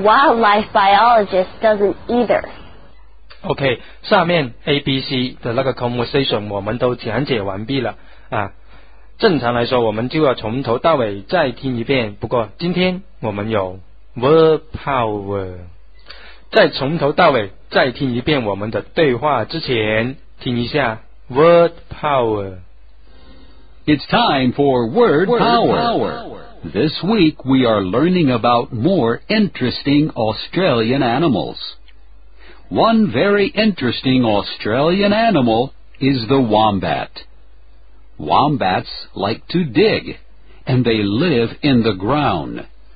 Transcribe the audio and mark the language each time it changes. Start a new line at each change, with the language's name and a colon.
English: Wildlife Biologist doesn't either。
Chinese: OK， 下面 ABC 的那个 conversation 我们都讲解完毕了啊。正常来说我们就要从头到尾再听一遍，不过今天我们有 verb power。在从头到尾再听一遍我们的对话之前，听一下 verb power。
English: It's time for word power. This week we are learning about more interesting Australian animals. One very interesting Australian animal is the wombat. Wombats like to dig, and they live in the ground.